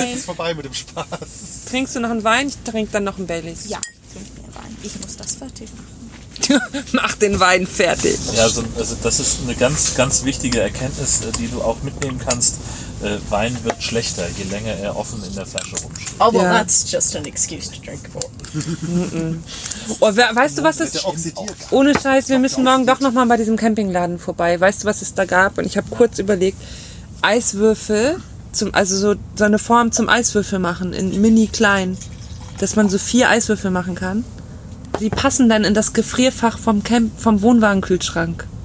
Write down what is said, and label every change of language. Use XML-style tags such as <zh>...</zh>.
<de>Jetzt ist es vorbei mit dem Spaß. Trinkst du noch einen Wein? Ich trinke dann noch einen Baileys. Ja, ich trinke mir Wein. Ich muss das fertig machen. Mach den Wein fertig. Ja, also das ist eine ganz, ganz wichtige Erkenntnis, die du auch mitnehmen kannst. Wein wird schlechter, je länger er offen in der Flasche rumsteht.</de> <en>Oh, well, that's just an excuse to drink more.</en> <de>Oh, weißt du, was es... Ohne Scheiß, wir müssen morgen doch nochmal bei diesem Campingladen vorbei. Weißt du, was es da gab? Und ich habe kurz überlegt, Eiswürfel, also so eine Form zum Eiswürfel machen, in mini klein, dass man so 4 Eiswürfel machen kann. Die passen dann in das Gefrierfach vom Camp, vom Wohnwagenkühlschrank.</de>